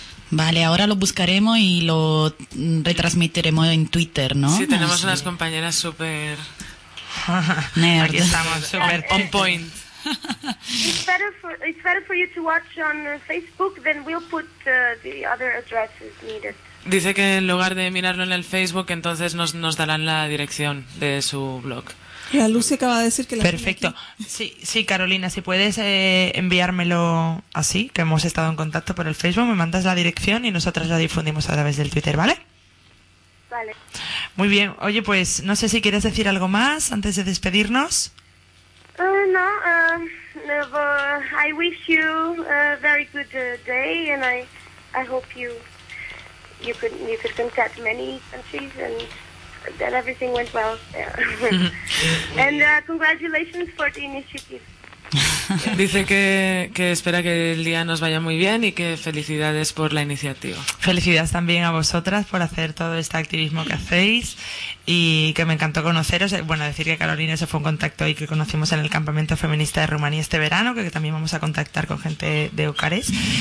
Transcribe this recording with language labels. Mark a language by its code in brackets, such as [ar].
[es] Vale, ahora lo buscaremos y lo retransmitiremos en Twitter, ¿no? Sí, tenemos unas compañeras súper... [en] Nerd. [es] Aquí estamos, súper [en] on point. It's better for you to watch on Facebook, then we'll put the other addresses needed. [es] Dice que en lugar de mirarlo en el Facebook, entonces nos darán la dirección de su blog. La Lucy acaba de decir que la... Perfecto. Sí, Carolina, si puedes enviármelo así, que hemos estado en contacto por el Facebook, me mandas la dirección y nosotras la difundimos a través del Twitter, ¿vale? Vale. Muy bien. Oye, pues, no sé si quieres decir algo más antes de despedirnos. [en] I wish you a very good day and I hope you could contact many countries and... That everything went well. Yeah. And congratulations for the initiative. [es] Dice que espera que el día nos vaya muy bien y que felicidades por la iniciativa. Felicidades también a vosotras por hacer todo este activismo que hacéis y que me encantó conoceros. Bueno, decir que Carolina se fue un contacto y que conocimos en el campamento feminista de Rumanía este verano, que también vamos a contactar con gente de Ucares.